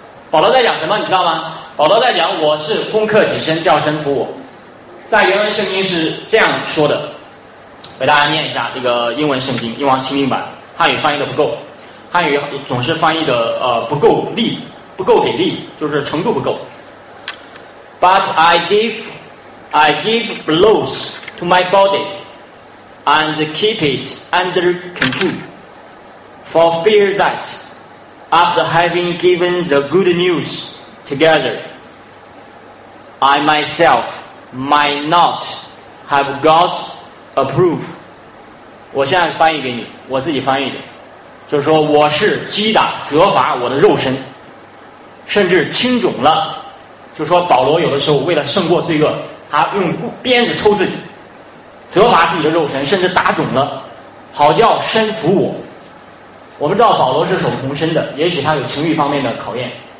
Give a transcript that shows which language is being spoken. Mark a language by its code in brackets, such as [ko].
[zh] 保罗在讲什么你知道吗？保罗在讲，我是攻克己身，叫身服我。在原文圣经是这样说的，给大家念一下，这个英文圣经英王钦定版，汉语翻译的不够，汉语总是翻译的不够力，不够给力，就是程度不够。 [en] But I give blows to my body and keep it under control for fear that after having given the good news together I myself might not have God's approval。 [zh] 我现在翻译给你，我自己翻译的，就是说我是击打责罚我的肉身，甚至青肿了，就说保罗有的时候为了胜过罪恶，他用鞭子抽自己，责罚自己的肉身，甚至打肿了，好叫身服我。我们知道保罗是守童身的，也许他有情欲方面的考验，